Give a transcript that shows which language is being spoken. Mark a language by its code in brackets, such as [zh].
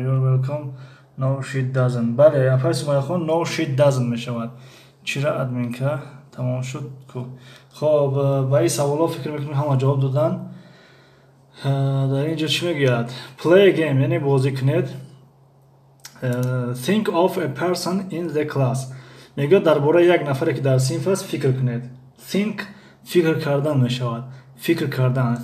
[en] You're welcome. No, she doesn't. [fa] بله، افرس مایخون [en] No, she doesn't [fa] می شود. چرا ادمین که تمام شد کو؟ خب، با این سوال ها فکر میکنم همه جواب دادن. در اینجا چی میگید؟ [en] Play a game [fa] یعنی بازی کنید. [en] Think of a person in the class. [fa] میگه درباره یک نفری که در صنف است فکر کنید. Think فکر کردن می شود. فکر کردن.